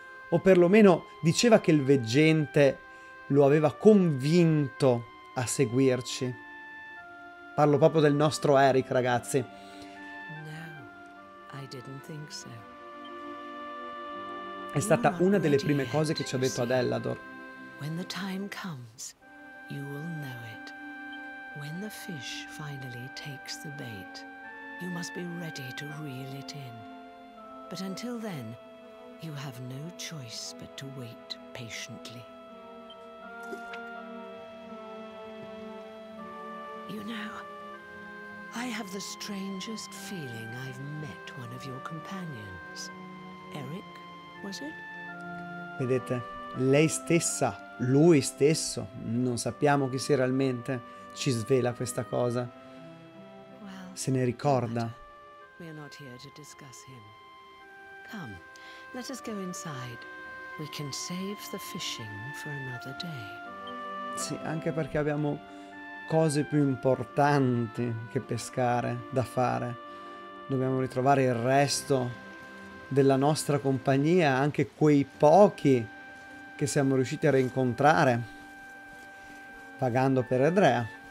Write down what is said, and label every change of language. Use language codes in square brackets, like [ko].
[it] O perlomeno diceva che il veggente lo aveva convinto a seguirci. Parlo proprio del nostro Eric, ragazzi. [en] No, I didn't think so. [it] È stata una delle prime cose che ci ha detto ad Elador. [en] When the time comes, you will know it. When the fish finally takes the bait, you must be ready to reel it in. But until then, you have no choice but to wait patiently. You know, I have the strangest feeling I've met one of your companions. Eric, was it? [it] Vedete, lei stessa, lui stesso, non sappiamo chi sia realmente, ci svela questa cosa. [en] Well, [it] se ne ricorda. [en] We are not here to discuss him. Come, let us go inside. We can save the fishing for another day. [it] Sì, anche perché abbiamo cose più importanti che pescare da fare. Dobbiamo ritrovare il resto della nostra compagnia, anche quei pochi che siamo riusciti a rincontrare vagando per Erdrea.